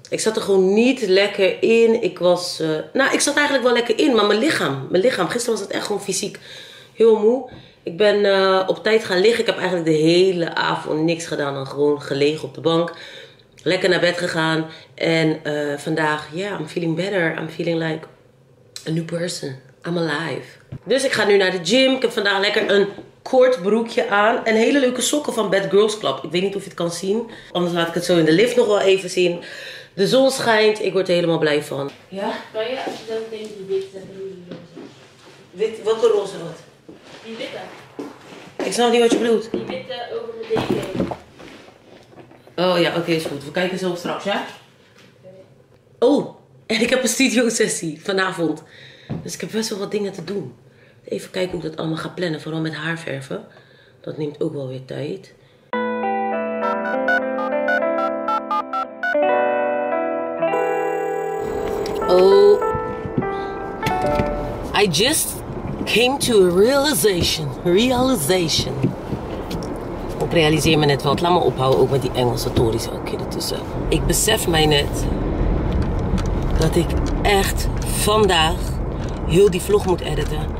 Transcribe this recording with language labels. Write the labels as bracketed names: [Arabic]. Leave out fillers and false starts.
[Dutch] Ik zat er gewoon niet lekker in. Ik was... ik zat eigenlijk wel lekker in, maar mijn lichaam. Gisteren was het echt gewoon fysiek heel moe. Ik ben op tijd gaan liggen. Ik heb eigenlijk de hele avond niks gedaan dan gewoon gelegen op de bank. Lekker naar bed gegaan. En vandaag, [English] I'm feeling better. I'm feeling like a new person. I'm alive. [Dutch] Dus ik ga nu naar de gym. Ik heb vandaag lekker een kort broekje aan. En hele leuke sokken van Bad Girls Club. Ik weet niet of je het kan zien. Anders laat ik het zo in de lift nog wel even zien. De zon schijnt. Ik word er helemaal blij van. Ja? Kan je als je dan denkt die witte? Wit, welke roze wat? Die witte. Ik snap niet wat je bedoelt. Die witte over de deken. Oh ja, oké, is goed. We kijken zo straks, ja? Oh, en ik heb een studio sessie vanavond. Dus ik heb best wel wat dingen te doen. Even kijken hoe ik dat allemaal ga plannen. Vooral met haar verven. Dat neemt ook wel weer tijd. Oh. [English] I just came to a realization. Realization. [Dutch] Ik realiseer me net wat. Laat me ophouden ook met die Engelse tories ook hier ertussen. Ik besef mij net dat ik echt vandaag heel die vlog moet editen.